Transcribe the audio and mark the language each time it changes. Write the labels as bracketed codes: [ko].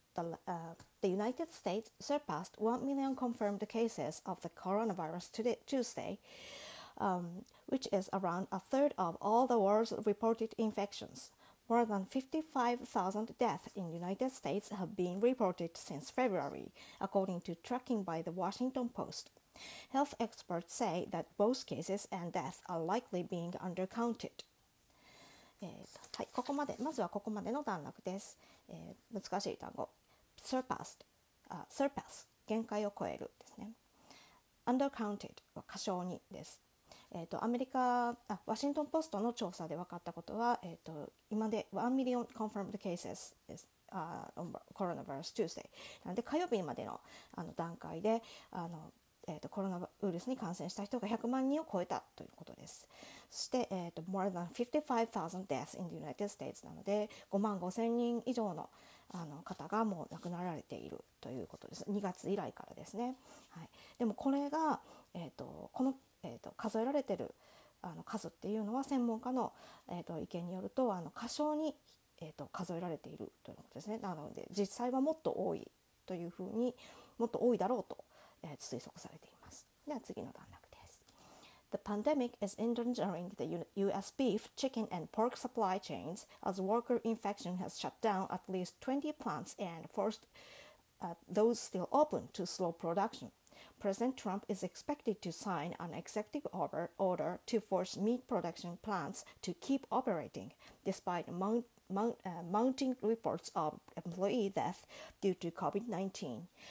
[en] The United States surpassed 1 million confirmed cases of the coronavirus today, Tuesday, which is around a third of all the world's reported infections. More than 55,000 deaths in the United States have been reported since February, according to tracking by the Washington Post. Health experts say that both cases and deaths are likely being undercounted. [ja] ここまで、まずはここまでの段落です。難しい単語。Surpassed、surpass、限界を超えるですね。 Undercounted は過小にです。アメリカ、ワシントンポストの調査で分かったことは、今で [en] 1 million confirmed cases is, coronavirus Tuesday [ja] なんで火曜日までの、段階でコロナウイルスに感染した人が100万人を超えたということです。そして、 [en] More than 55,000 deaths in the United States [ja] なので5万5000人以上 の, 方がもう亡くなられているということです。 2月以来からですね、はい、でもこれが、この数えられてる数っていうのは専門家の、意見によると過小に、数えられているということですね。なので実際はもっと多いというふうにもっと多いだろうと、推測されています。では次の段落です。 [en] The pandemic is endangering the US beef, chicken and pork supply chains as worker infection has shut down at least 20 plants and forced those still open to slow production. President Trump is expected to sign an executive order to force meat production plants to keep operating, despite mounting reports of employee death due to COVID-19.